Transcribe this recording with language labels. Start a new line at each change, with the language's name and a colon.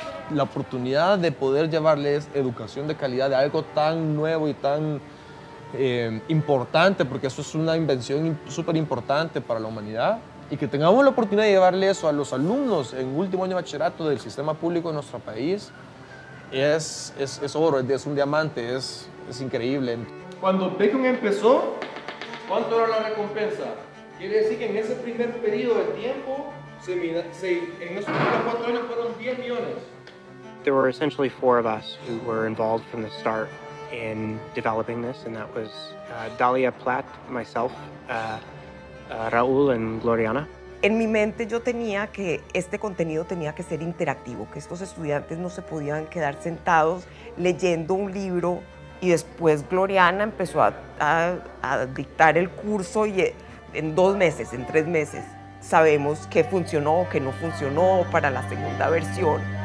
Spanish: La oportunidad de poder llevarles educación de calidad de algo tan nuevo y tan importante, porque eso es una invención súper importante para la humanidad, y que tengamos la oportunidad de llevarle eso a los alumnos en último año de bachillerato del sistema público de nuestro país, es oro, es un diamante, es increíble. Cuando Bitcoin empezó, ¿cuánto era la recompensa? Quiere decir que en ese primer periodo de tiempo, en esos primeros 4 años fueron 10 millones.
English: There were essentially 4 of us who were involved from the start in developing this, and that was Dalia Platt, myself, Raúl and Gloriana.
Spanish: En mi mente yo tenía que este contenido tenía que ser interactivo, que estos estudiantes no se podían quedar sentados leyendo un libro y después Gloriana empezó a dictar el curso y en 2 meses, en 3 meses, sabemos qué funcionó, qué no funcionó para la segunda versión.